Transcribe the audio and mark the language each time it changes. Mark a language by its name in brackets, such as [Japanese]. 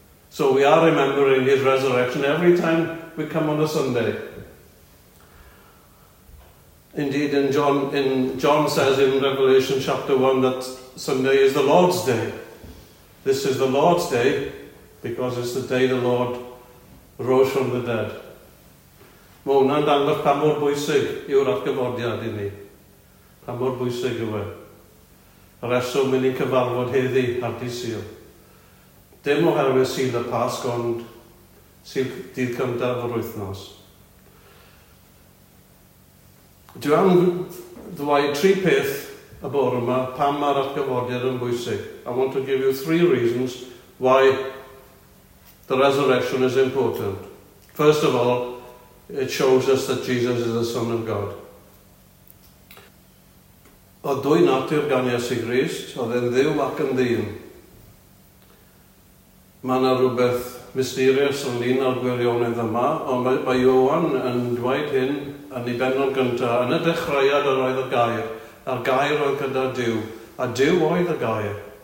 [English] So we are remembering his resurrection every time we come on a Sunday. Indeed, John says in Revelation chapter 1 that Sunday is the Lord's day. This is the Lord's day because it's the day the Lord rose from the dead. [Welsh] Mae hwnna'n dangos pa mor bwysig yw'r atgyfodiad i ni. Pa mor bwysig yw e. Y reswm ni'n cyfarfod heddi ar dydd Sul. Dim oherwydd Sul y Pasg, ond Sul dydd cyntaf o'r wythnos. Dwi am ddweud tri peth y bore yma pam mae'r atgyfodiad yn bwysig. [English] I want to give you three reasons why the resurrection is important. First of all, it shows us that Jesus is the Son of God. [Welsh] Oedd dwy natur gan Iesu Grist, oedd e'n ddiw ac yn ddyn. Mae yna rhywbeth mysterious ynglyn â'r gwirionedd yma, ond mae Ioan yn dweud hyn yn ei bennod gyntaf, yn y dechreuad yr oedd y gair, a'r gair oedd gyda Duw, a Duw oedd y gair.